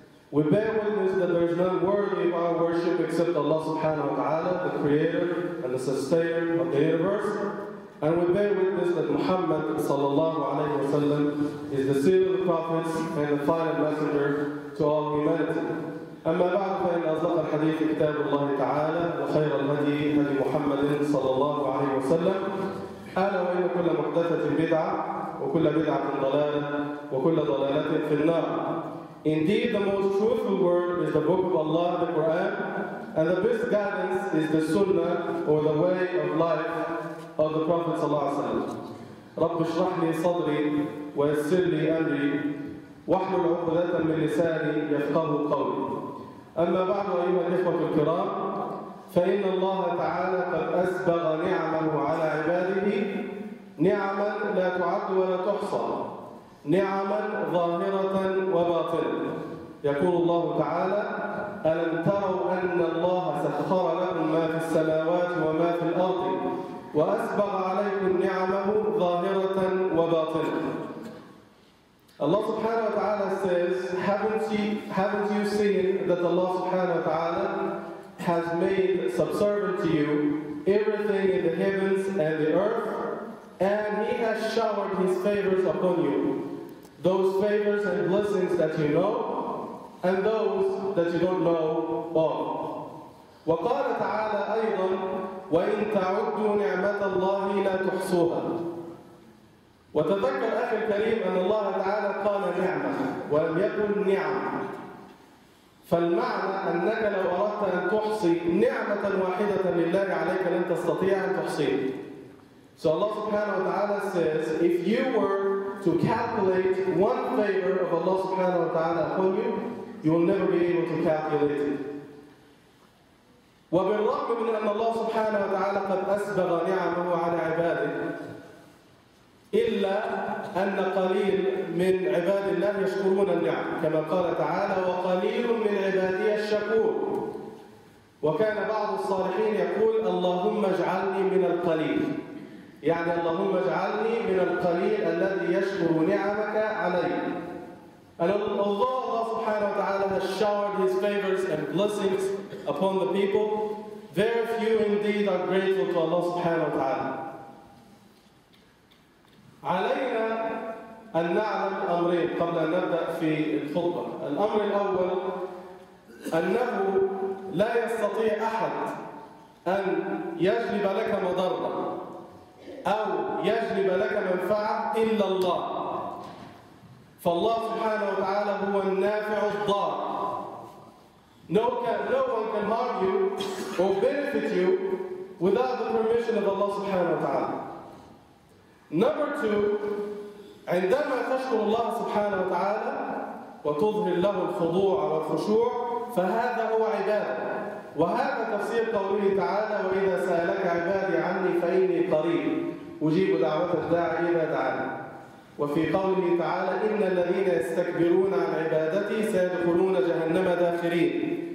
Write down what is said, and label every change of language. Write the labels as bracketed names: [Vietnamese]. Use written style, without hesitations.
[English] We bear witness that there is none worthy of our worship except Allah subhanahu wa ta'ala, the creator and the sustainer of the universe. And we bear witness that Muhammad sallallahu alayhi wa sallam is the seal of the prophets and the final messenger to all humanity. [Arabic] أما بعد فإن أصدق الحديث كتاب الله تعالى وخير الهدي هدي محمد صلى الله عليه وسلم ألا وإن كل محدثة بدعة وكل بدعة ضلالة وكل ضلالة في النار. [English] Indeed, the most truthful word is the book of Allah, the Quran, and the best guidance is the Sunnah or the way of life of the Prophet صلى الله عليه وسلم. [Arabic] رب اشرح لي صدري ويسر لي أمري واحلل عقدة من لساني يفقهوا قولي. أما بعد أيها الإخوة الكرام فإن الله تعالى قد أسبغ نعمه على عباده نعما لا تعد ولا تحصى نعما ظاهرة وباطنة. يقول الله تعالى ألم تروا أن الله سخر لكم ما في السماوات وما في الأرض وأسبغ عليكم نعمه ظاهرة وباطنة. [English] Allah subhanahu wa ta'ala says, haven't you seen that Allah subhanahu wa ta'ala has made subservient to you everything in the heavens and the earth, and He has showered His favors upon you, those favors and blessings that you know, and those that you don't know of. [Arabic] وَقَالَ تَعَالَى أَيْضًا وَإِنْ تَعُدُّوا نِعْمَةَ اللَّهِ لَا تُحْصُوهَا. وتذكر أخي الكريم أن الله تعالى قال نعمة ولم يكن نعمة، فالمعنى أنك لو أردت أن تحصي نعمة واحدة لله عليك لن تستطيع أن تحصيها. [English] So Allah subhanahu wa ta'ala says, if you were to calculate one favor of Allah subhanahu wa ta'ala upon you, you will never be able to calculate it. [Arabic] وبالرغم من أن الله سبحانه وتعالى قد أسبغ نعمه على عباده إلا أن قليل من عباد الله يشكرون النعم، كما قال تعالى وقليل من عبادي الشكور. وكان بعض الصالحين يقول اللهم اجعلني من القليل، يعني اللهم اجعلني من القليل الذي يشكر نعمك علي. [English] Although Allah subhanahu wa ta'ala has showered His favors and blessings upon the people, very few indeed are grateful to Allah subhanahu wa ta'ala. [Arabic] علينا أن نعلم أمرين قبل أن نبدأ في الخطبة. الأمر الأول أنه لا يستطيع أحد أن يجلب لك مضرة أو يجلب لك منفعة إلا الله، فالله سبحانه وتعالى هو النافع الضار. [English] No one can harm you or benefit you without the permission of Allah سبحانه وتعالى. Number two, [Arabic] عندما تشكر الله سبحانه وتعالى وتظهر له الخضوع والخشوع فهذا هو عباده، وهذا تفسير قوله تعالى وإذا سألك عبادي عني فإني قريب أجيب دعوة الداع إذا دعاني، وفي قوله تعالى إن الذين يستكبرون عن عبادتي سيدخلون جهنم داخرين.